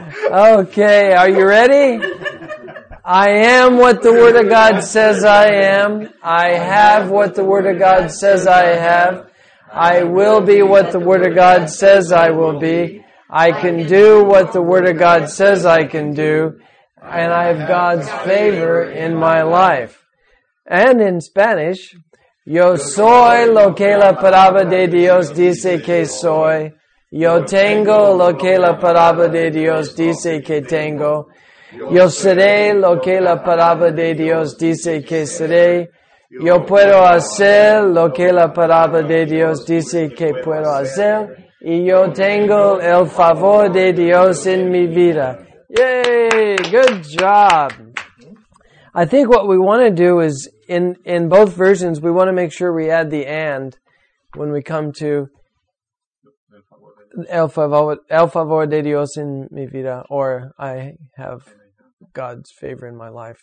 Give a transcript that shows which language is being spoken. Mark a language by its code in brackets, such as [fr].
[en] Okay, are you ready? I am what the Word of God says I am. I have what the Word of God says I have. I will be what the Word of God says I will be. I can do what the Word of God says I can do. And I have God's favor in my life. And in Spanish, [es] yo soy lo que la palabra de Dios dice que soy. Yo tengo lo que la palabra de Dios dice que tengo. Yo seré lo que la palabra de Dios dice que seré. Yo puedo hacer lo que la palabra de Dios dice que puedo hacer. Y yo tengo el favor de Dios en mi vida. [en] Yay! Good job! I think what we want to do is, in both versions, we want to make sure we add the and when we come to [es] el favor de Dios en mi vida, [en] or I have God's favor in my life.